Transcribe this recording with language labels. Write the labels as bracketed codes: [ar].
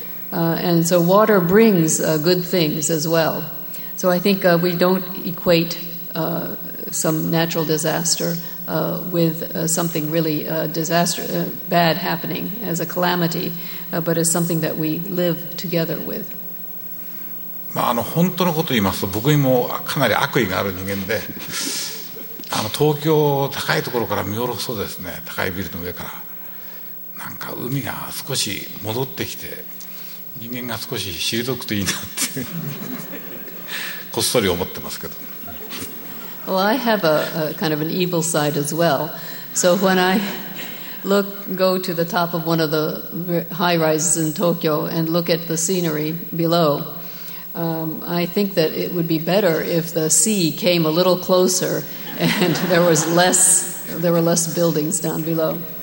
[en] And so water brings good things as well. So I think we don't equate some natural disaster with something really bad happening as a calamity, but as something that we live together with. [ja] まあ、本当のことを言いますと、僕にもかなり悪意がある人間で、東京高いところから見下ろすとですね、高いビルの上から。なんか海が少し戻ってきて人間が少し退くといいなってこっそり思ってますけど。 [en] Well, I have a kind of an evil side as well. So when I go to the top of one of the high rises in Tokyo and look at the scenery below, I think that it would be better if the sea came a little closer and there was less, there were less buildings down below.